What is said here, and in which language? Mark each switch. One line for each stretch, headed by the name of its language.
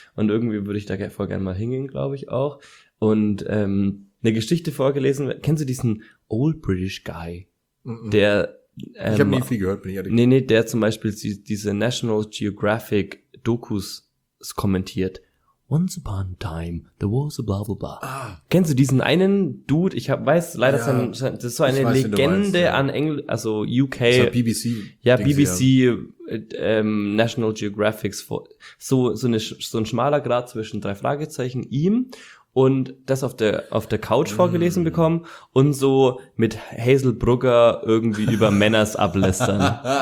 German: Und irgendwie würde ich da voll gerne mal hingehen, glaube ich auch. Und eine Geschichte vorgelesen. Kennst du diesen Old British Guy? Der, ich habe nie viel gehört, bin ich ehrlich. Nee, der zum Beispiel diese National Geographic Dokus kommentiert.
English: Once upon a time, there was a blah blah blah. Ah.
German: Kennst du diesen einen Dude? Das ist so eine Legende an Engel, also UK. Das ist ja BBC. Ja, BBC, National Geographics. So ein schmaler Grat zwischen drei Fragezeichen, ihm und das auf der Couch vorgelesen bekommen und so mit Hazel Brugger irgendwie über Männers ablästern.